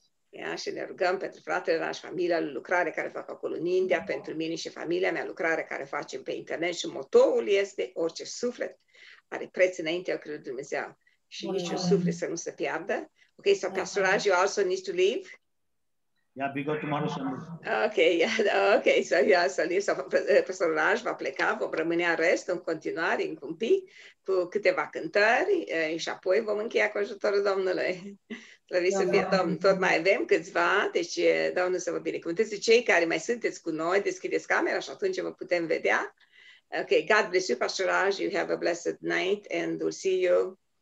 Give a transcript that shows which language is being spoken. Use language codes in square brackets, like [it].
[ro] Ia, și ne rugăm pentru fratele Raș, familia lui, lucrare care fac acolo în India, pentru mine și familia mea, lucrare care facem pe internet și motoul este orice suflet are preț înaintea lui Dumnezeu și niciun suflet să nu se piardă. [en] Ok, so Pastor Raj, you also need to leave? Yeah, we go tomorrow Sunday. Okay, yeah, okay, so you also leave. [ro] So Pastor Raj va pleca, vom rămâne în rest, în continuare, încă un pic, cu câteva cântări și apoi vom încheia cu ajutorul Domnului. Slăviți să fie Domn, tot mai avem câțiva, deci Domnul să vă binecuvânteze. Cei care mai sunteți cu noi, deschideți camera și atunci vă putem vedea. [en] Okay, God bless you, Pastor Raj, you have a blessed night and we'll see you.